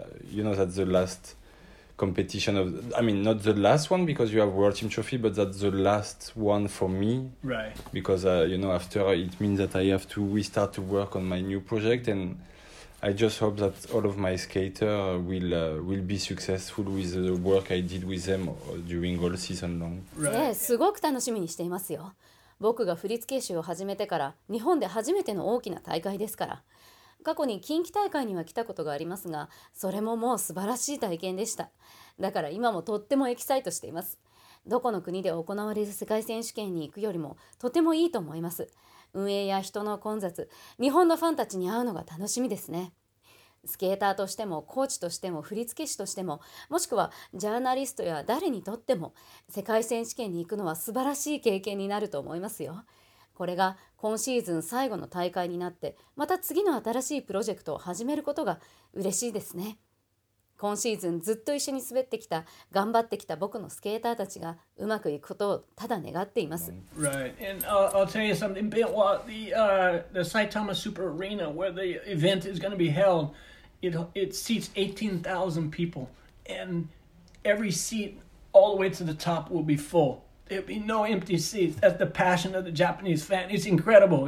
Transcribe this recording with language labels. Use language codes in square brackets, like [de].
[en] You know that's the last competition of. I mean, not the last one because you have World Team Trophy, but that's the last one for me. Right. Because you know, after it means that I have to restart to work on my new project, and I just hope that all of my skaters will be successful with the work I did with them during all season long. Right. Yeah, [ja] すごく楽しみにしていますよ。僕が振付師を始めてから日本で初めての大きな大会ですから。過去に近畿大会には来たことがありますが、それももう素晴らしい体験でした。だから今もとってもエキサイトしています。どこの国で行われる世界選手権に行くよりもとてもいいと思います。運営や人の混雑、日本のファンたちに会うのが楽しみですね。スケーターとしてもコーチとしても振付師としても、もしくはジャーナリストや誰にとっても、世界選手権に行くのは素晴らしい経験になると思いますよ。これが今シーズン最後の大会になって、また次の新しいプロジェクトを始めることが嬉しいですね。今シーズンずっと一緒に滑ってきた、頑張ってきた僕のスケーターたちがうまくいくことをただ願っています。 [en] Right. And I'll tell you something, Bill. The Saitama Super Arena where the event is going to be held, it seats 18,000 people. And every seat all the way to the top will be full. There'll be no empty seats. That's the passion of the Japanese fan. It's incredible.